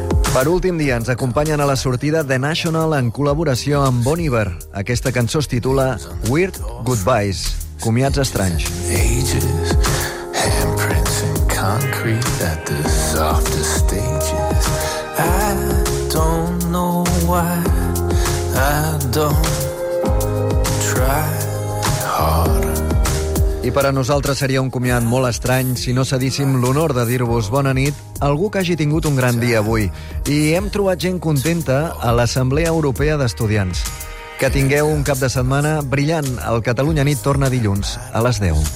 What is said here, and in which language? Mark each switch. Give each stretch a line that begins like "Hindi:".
Catalan: Per últim dia, ens acompanyen a la sortida The National en col·laboració amb Bon Iver. Aquesta cançó es titula Weird Goodbyes, comiats estranys.
English: Ages, handprints in concrete at the softest stages. I don't know why, I don't try harder.
Catalan: I per a nosaltres seria un comiat molt estrany si no cedíssim l'honor de dir-vos bona nit a algú que hagi tingut un gran dia avui. I hem trobat gent contenta a l'Assemblea Europea d'Estudiants. Que tingueu un cap de setmana brillant. El Catalunya Nit torna dilluns a les 10.